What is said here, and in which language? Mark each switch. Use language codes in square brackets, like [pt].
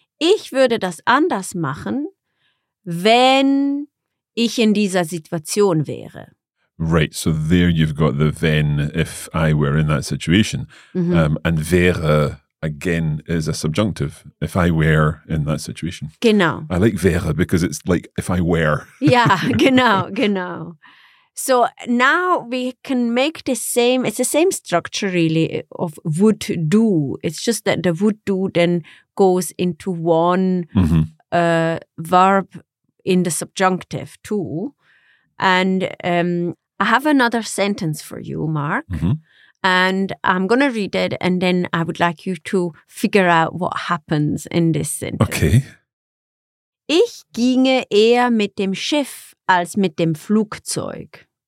[de] Ich würde das anders machen, wenn ich in dieser Situation wäre. [en] Right, so there you've got the wenn, if I were in that situation. Mm-hmm. And wäre, again, is a subjunctive, if I were in that situation. [de] Genau. [en] I like wäre because it's like if I were. Yeah, genau. So now we can make the same, it's the same structure really of would do. It's just that the would do then goes into one verb in the subjunctive too. And I have another sentence for you, Mark, and I'm going to read it, and then I would like you to figure out what happens in this sentence. Okay. [de] Ich ginge eher mit dem Schiff als mit dem Flugzeug.